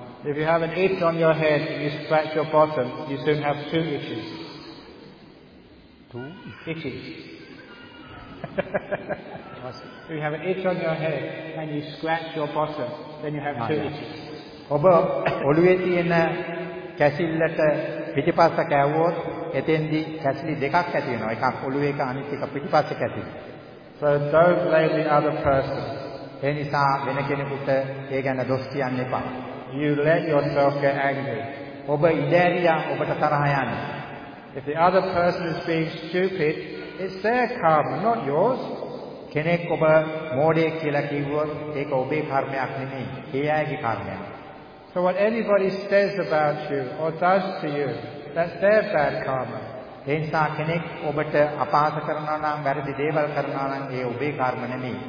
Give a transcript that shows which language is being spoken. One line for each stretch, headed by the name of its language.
English: If you have an itch on your head, you scratch your bottom, you soon have two itches. Two? Itches. If you have an itch on your head and you scratch your bottom, then you have two itches.
Sinhala: ඔබ ඔළුවේ තියෙන කැසිල්ලට පිටිපස්ස කැවුවොත් එතෙන්දී කැසිලි දෙකක් ඇති වෙනවා. එකක් ඔළුවේ එක අනිත් එක පිටිපස්ස කැසිලි.
English: So don't blame the other person.
Sinhala: එනිසා වෙන කෙනෙකුට ඒ ගැන දොස් කියන්න එපා.
English: You let yourself get angry.
Sinhala: ඔබ ඉදෑරියා ඔබට තරහ යන්නේ.
English: If the other person is being stupid, it's their karma, not yours.
Sinhala: කෙනෙක් ඔබ මෝඩයෙක් කියලා කිව්වොත් ඒක ඔබේ කර්මයක් නෙමෙයි. ඒ අයගේ කර්මයක්.
English: So what anybody says about you or does to you, that's their bad karma.
Sinhala: එනිසා කෙනෙක් ඔබට අපහාස කරනවා නම් වැරදි දේවල් කරනවා නම් ඒ ඔබේ කර්ම නෙමෙයි.